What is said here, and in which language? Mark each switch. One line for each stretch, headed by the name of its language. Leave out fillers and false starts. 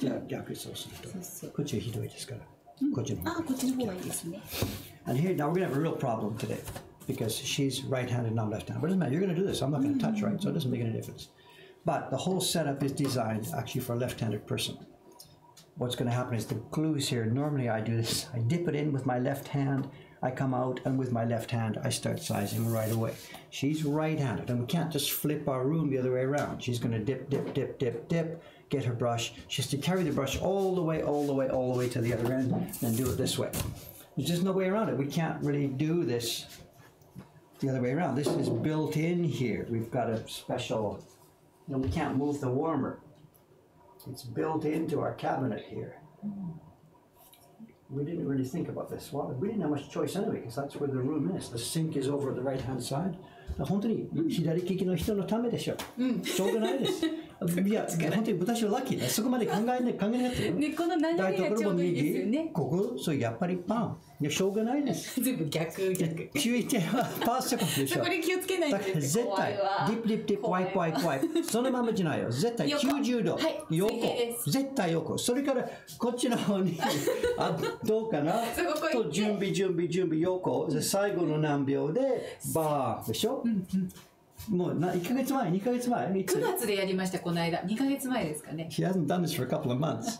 Japanese: じゃあ逆にそうすると。こっちがひどいですから。こっちの方がいいですね。
English: And here, now we're going to have a real problem today. Because she's right-handed and I'm left-handed. But it doesn't matter. You're going to do this. I'm not going to touch, right? So it doesn't make any difference. But the whole setup is designed actually for a left-handed person. What's going to happen is the glue is here. Normally I do this. I dip it in with my left hand. I come out and with my left hand, I start sizing right away. She's right-handed and we can't just flip our room the other way around. She's going to dip, dip, dip, dip, dip, get her brush. She has to carry the brush all the way, all the way, all the way to the other end and do it this way. There's just no way around it. We can't really do this the other way around. This is built in here. We've got a special, you know, we can't move the warmer. It's built into our cabinet here. We didn't really think about this. Well, we didn't have much choice anyway, because that's where the room is. The sink is over the right-hand side.
Japanese: 本当に左利きの人のためでしょ。うん。しょうがないです。本当に私はラッキーだ。そこまで考えない、考えなくて。ね、この何が逆ですよね。ここ、そう、やっぱりパン。いや、しょうがないです。全部逆。90度。横。絶対横。それからこっちの方に。あ、どうかな?そこ、準備、準備、横。最後の何秒で、バーでしょ?
English: She hasn't done this for a couple of months.